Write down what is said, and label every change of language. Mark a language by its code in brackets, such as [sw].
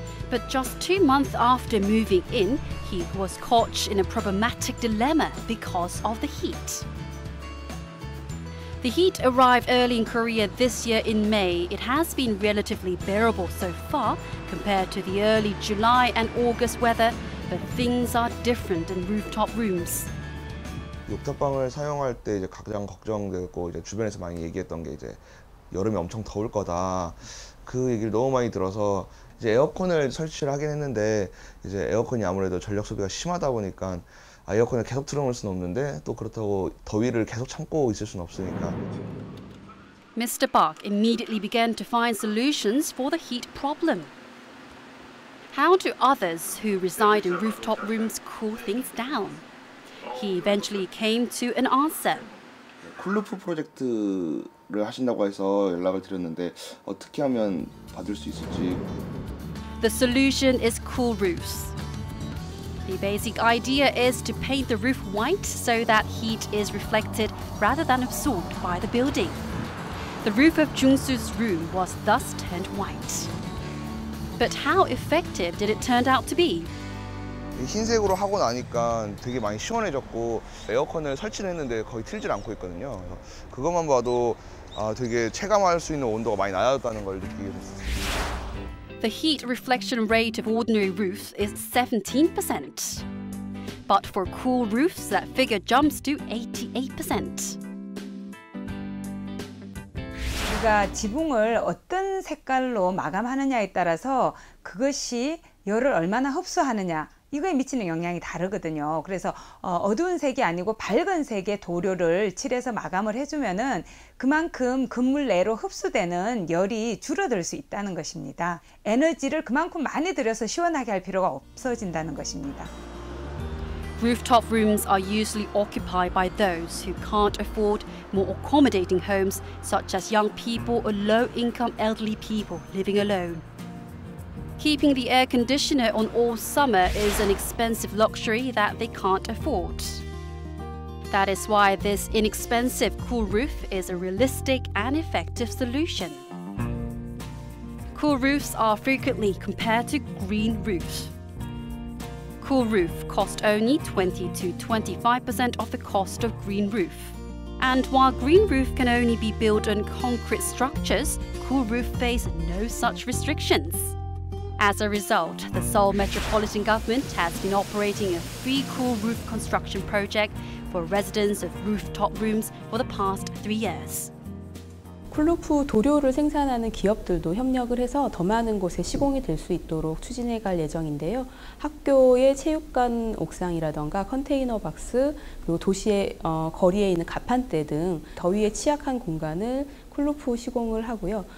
[en] But just 2 months after moving in, he was caught in a problematic dilemma because of the heat. The heat arrived early in Korea this year in May. It has been relatively bearable so far compared to the early July and August weather, but things are different in rooftop rooms. [ko] 녹차방을 사용할 때 이제 가장 걱정되고 이제 주변에서 많이 얘기했던 게 이제 여름에 엄청 더울 거다. 그 얘기를 너무 많이 들어서 이제 에어컨을 설치를 하긴 했는데 이제 에어컨이 아무래도 전력 소비가 심하다 보니까 에어컨을 계속 틀어놓을 수는 없는데 또 그렇다고 더위를 계속 참고 있을 수는 없으니까. [en] Mr. Park immediately began to find solutions for the heat problem. How do others who reside in rooftop rooms cool things down? He eventually came to an answer. [ko] 쿨루프 프로젝트를 하신다고 해서 연락을 드렸는데 어떻게 하면 받을 수 있을지. [en] The solution is cool roofs. The basic idea is to paint the roof white so that heat is reflected rather than absorbed by the building. The roof of Jung-soo's room was thus turned white. But how effective did it turn out to be? [ko] 흰색으로 하고 나니까 되게 많이 시원해졌고 에어컨을 설치는 했는데 거의 틀질 않고 있거든요. 그것만 봐도 되게 체감할 수 있는 온도가 많이 낮아졌다는 걸 느끼게 됐어요. [en] The heat reflection rate of ordinary roofs is 17%. But for cool roofs, that figure jumps to 88%. [ko] 우리가 지붕을 어떤 색깔로 마감하느냐에 따라서 그것이 열을 얼마나 흡수하느냐 이거에 미치는 영향이 다르거든요. 그래서 어두운 색이 아니고 밝은 색의 도료를 칠해서 마감을 해주면은 그만큼 건물 내로 흡수되는 열이 줄어들 수 있다는 것입니다. 에너지를 그만큼 많이 들여서 시원하게 할 필요가 없어진다는 것입니다. [en] Rooftop rooms are usually occupied by those who can't afford more accommodating homes, such as young people or low-income elderly people living alone. Keeping the air conditioner on all summer is an expensive luxury that they can't afford. That is why this inexpensive cool roof is a realistic and effective solution. Cool roofs are frequently compared to green roofs. Cool roof cost only 20 to 25% of the cost of green roof. And while green roof can only be built on concrete structures, cool roof face no such restrictions. As a result, the Seoul Metropolitan Government has been operating a free cool roof construction project for residents of rooftop rooms for the past 3 years. [ko] 쿨루프 도료를 생산하는 기업들도 협력을 해서 더 많은 곳에 시공이 될 수 있도록 추진해 갈 예정인데요. 학교의 체육관 옥상이라든가 컨테이너 박스, 그리고 도시의 거리에 있는 가판대 등 더위에 취약한 공간을 쿨루프 시공을 하고요.